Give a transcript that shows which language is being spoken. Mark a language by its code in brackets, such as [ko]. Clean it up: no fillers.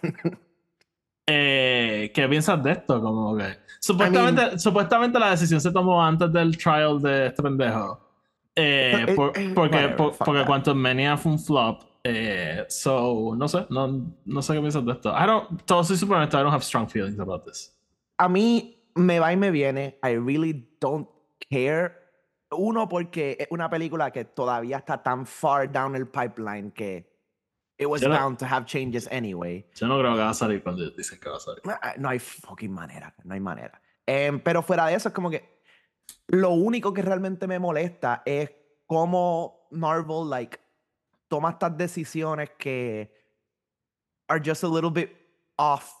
[es] ¿Qué piensas de esto? Como que supuestamente la decisión se tomó antes del trial de este pendejo. Porque Quantumania fue un flop. So no sé, no sé qué piensas de esto. Todo soy super honesto, [en] I don't have strong feelings about this. [es] A mí me va y me viene. [en] I really don't care. [es] Uno, porque es una película que todavía está tan [en] far down [es] el pipeline que [en] it was bound to have changes anyway. [es] Yo no creo que va a salir cuando dicen que va a salir. No hay fucking manera, no hay manera. Pero fuera de eso, es como que lo único que realmente me molesta es cómo Marvel, like, toma estas decisiones que [en] are just a little bit off.